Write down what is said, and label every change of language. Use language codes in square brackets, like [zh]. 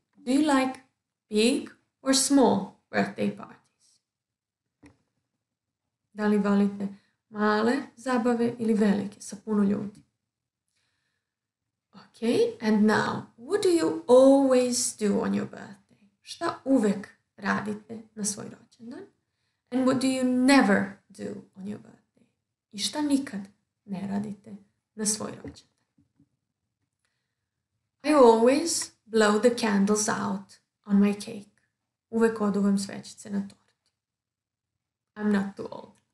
[en] Do you like big or small birthday parties? [sr] Da li volite male zabave ili velike, sa puno ljudi? [en] Okay, and now, what do you always do on your birthday? [sr] Šta uvek radite na svoj rođendan? [en] And what do you never do on your birthday? [sr] I šta nikad ne radite na svoj rođendan? [en] I always blow the candles out on my cake. [sr] Uvek oduvam svećice na torti. [en] I'm not too old.